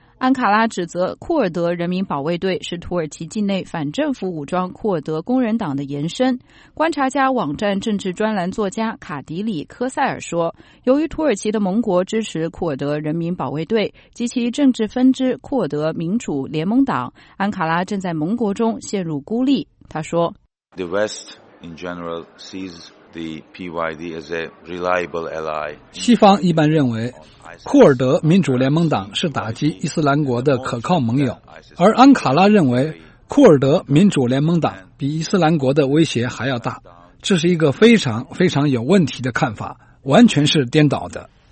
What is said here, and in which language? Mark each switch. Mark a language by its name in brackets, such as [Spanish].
[Chinese] 安卡拉指责库尔德人民保卫队是土耳其境内反政府武装库尔德工人党的延伸。观察家网站政治专栏作家卡迪里·科塞尔说，由于土耳其的盟国支持库尔德人民保卫队及其政治分支库尔德民主联盟党，安卡拉正在盟国中陷入孤立。他说 [English] The West in general sees the PYD as a reliable ally. [Chinese] 西方一般认为库尔德民主联盟党是打击伊斯兰国的可靠盟友，而安卡拉认为库尔德民主联盟党比伊斯兰国的威胁还要大，这是一个非常非常有问题的看法，完全是颠倒的。